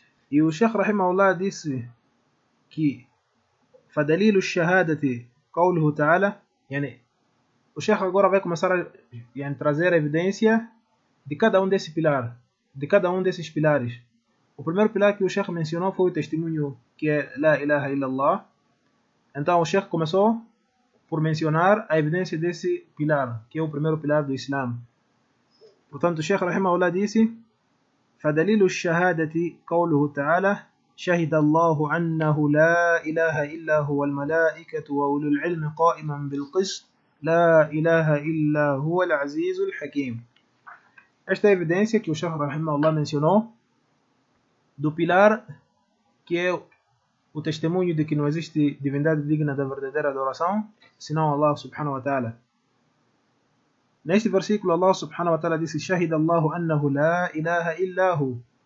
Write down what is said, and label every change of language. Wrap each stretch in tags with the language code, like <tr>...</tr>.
<pt>E o Sheikh Rahimahullah disse que فدليل الشهادة قوله تعالى يعني الشيخ agora vai começar a yani trazer evidência de cada desses pilares, de cada desses pilares. O primeiro pilar que o Sheikh mencionou foi o testemunho que é لا إله إلا الله. Então o Sheikh começou por mencionar a evidência desse pilar, que é o primeiro pilar do Islam.</pt> <ar>Portanto, o Sheikh rahimahullah disse: فدليل الشهادة قوله تعالى شهد الله أنه لا إله إلا هو الملائكة وأولو العلم قائما بالقسط لا إله إلا هو العزيز الحكيم.</ar> <pt>Esta evidencia que o Sheikh Rahimahullah mencionou do pilar, que é o testemunho de que não existe divindade digna da verdadeira adoração, senão Allah subhanahu wa ta'ala. Neste versículo, Allah subhanahu wa ta'ala disse: Shahida Allahu annahu la ilaha illahu.</pt>